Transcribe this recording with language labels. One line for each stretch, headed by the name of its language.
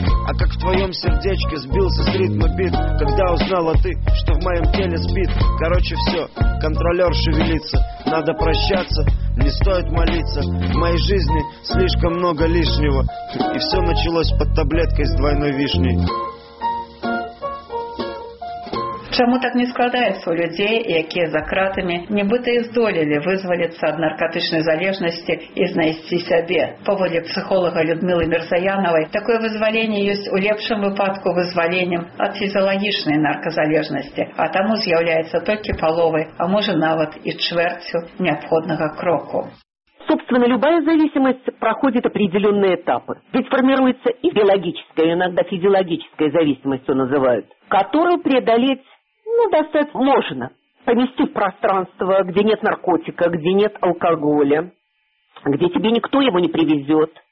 Russian: А как в твоем сердечке сбился с ритма бит, когда узнала ты, что в моем теле спит. Короче, все, контролер шевелится. Надо прощаться, не стоит молиться. В моей жизни слишком много лишнего. И все началось под таблеткой с двойной вишней.
Belarusian: Чому так не складаецца ў людзей, якія за кратамі нібыта і здолелі вызваліцца ад наркатычнай залежнасці і знайсці сябе? Паводле псіхолага Людмілы Мірзаянавай, такое вызваленне ёсць у лепшым выпадку вызваленнем ад фізіялагічнай наркозалежнасці, а таму з'яўляецца толькі паловай, а можа нават і чвэрцю неабходнага кроку.
Russian: Собственно, любая зависимость проходит определенные этапы. Ведь формируется и биологическая, иногда физиологическая зависимость, ее называют, которую преодолеть, ну, достаточно можно. Понести в пространство, где нет наркотика, где нет алкоголя, где тебе никто его не привезет.